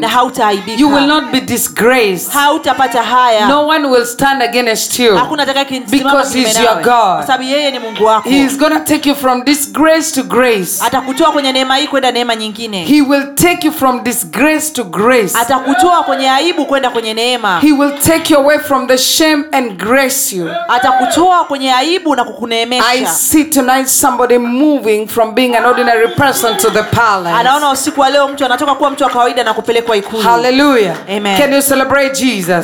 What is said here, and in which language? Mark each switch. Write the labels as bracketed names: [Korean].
[Swahili] Na hautaaibika. [English] You will not be disgraced. [Swahili] Hautapata haya. [English] No one will stand against you. [Swahili] Hakuna atakayekusimama kinyume nawe. [English] Because he's your God. [Swahili] Kwa sababu yeye ni Mungu wako. [English] He is going to take you from disgrace to grace. [Swahili] Atakutoa kwenye neema hii kwenda neema nyingine. [English] He will take you from disgrace to grace. [Swahili] Atakutoa kwenye aibu kwenda kwenye neema. [English] He will take you away from the shame and grace you. [Swahili] Atakutoa kwenye aibu na kukuneemesha. [English] I see tonight somebody moving from being an ordinary person to the palace. [Swahili] Anaona usiku wa leo mtu anatoka kuwa mtu wa kawaida na kupelekwa ikulu. [English] Hallelujah. Amen. Can you celebrate Jesus?